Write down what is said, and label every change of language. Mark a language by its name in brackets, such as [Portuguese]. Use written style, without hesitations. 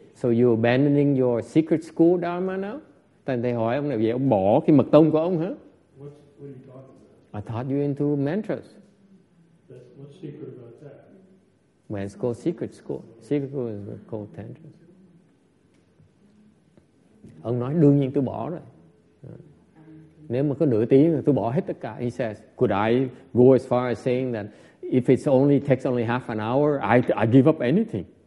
[English] So you abandoning your secret school dharma now? [Vietnamese] Thầy hỏi ông này, vậy ông bỏ cái mật tông của ông hả? [English] What are you talking about? I taught you into mantras. What's secret about that? Well, it's called secret school. Secret school is called tantras. [Vietnamese] Ông nói, đương nhiên tôi bỏ rồi. Nếu mà có nửa tiếng tôi bỏ hết tất cả. [English] He says, could I go as far as saying that if it's only takes only half an hour, I give up anything.